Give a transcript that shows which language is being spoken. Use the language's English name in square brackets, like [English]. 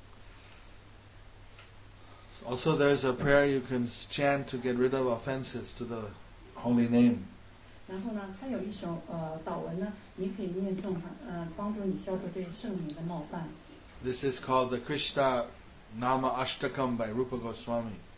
[Chinese] 所以呢，我后来就发现，如果心呢不集中的时候呢，我又可以小声念诵；如果心集中的时候呢，我又可以小声念诵了。 [English] Also, there's a prayer you can chant to get rid of offenses to the holy name. [Chinese] 然后呢，它有一首祷文呢，你可以念诵，帮助你消除对圣名的冒犯。 [English] This is called the Krishna Nama Ashtakam by Rupa Goswami.